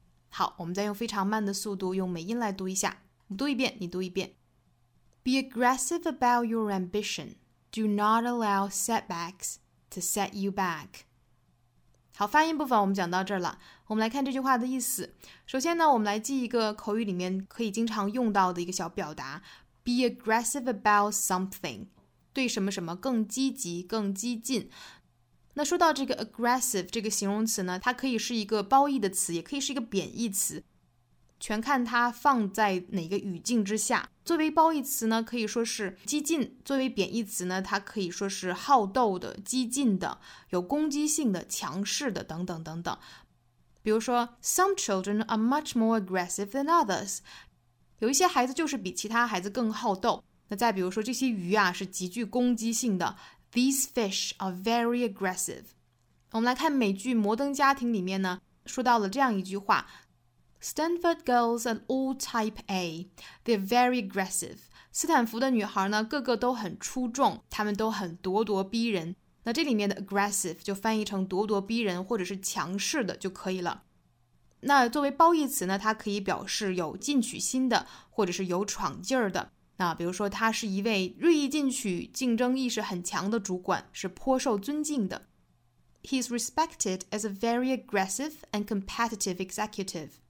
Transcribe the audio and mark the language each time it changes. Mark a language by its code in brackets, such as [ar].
[zh] 好，我们再用非常慢的速度用美音来读一下，读一遍，你读一遍。 [en] Be aggressive about your ambition. Do not allow setbacks to set you back. [zh] 好，发音部分我们讲到这儿了。我们来看这句话的意思。首先呢，我们来记一个口语里面可以经常用到的一个小表达。 [en] Be aggressive about something. [zh] 对什么什么更积极，更激进。那说到这个 aggressive 这个形容词呢，它可以是一个褒义的词，也可以是一个贬义词。全看它放在哪个语境之下。作为褒义词呢，可以说是激进；作为贬义词呢，它可以说是好斗的、激进的、有攻击性的、强势的等等等等。比如说 [en] ，Some children are much more aggressive than others。 [zh] 有一些孩子就是比其他孩子更好斗。那再比如说，这些鱼啊是极具攻击性的 [en] These fish are very aggressive. [zh] 我们来看美剧《摩登家庭》里面呢，说到了这样一句话。 [en] Stanford girls are all type A. They're very aggressive. [zh] 斯坦福的女孩呢，个个都很出众，她们都很咄咄逼人。那这里面的 aggressive 就翻译成咄咄逼人或者是强势的就可以了。那作为褒义词呢，它可以表示有进取心的或者是有闯劲儿的。那比如说他是一位锐意进取、竞争意识很强的主管，是颇受尊敬的。 [en] He's respected as a very aggressive and competitive executive.